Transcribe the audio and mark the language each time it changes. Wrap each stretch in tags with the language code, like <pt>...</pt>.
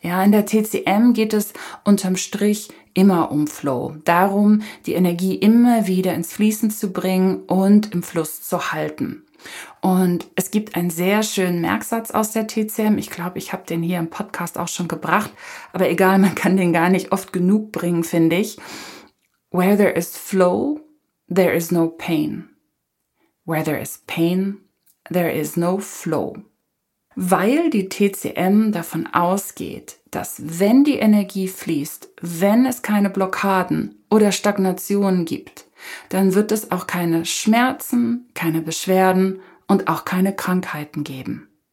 <de>Ja, in der TCM geht es unterm Strich immer um Flow, darum, die Energie immer wieder ins Fließen zu bringen und im Fluss zu halten. Und es gibt einen sehr schönen Merksatz aus der TCM. Ich glaube, ich habe den hier im Podcast auch schon gebracht. Aber egal, man kann den gar nicht oft genug bringen, finde ich.</de> <en>Where there is flow, there is no pain. Where there is pain, there is no flow.</en> <de>Weil die TCM davon ausgeht, dass wenn die Energie fließt, wenn es keine Blockaden oder Stagnationen gibt, dann wird es auch keine Schmerzen, keine Beschwerden und auch keine Krankheiten geben.</de>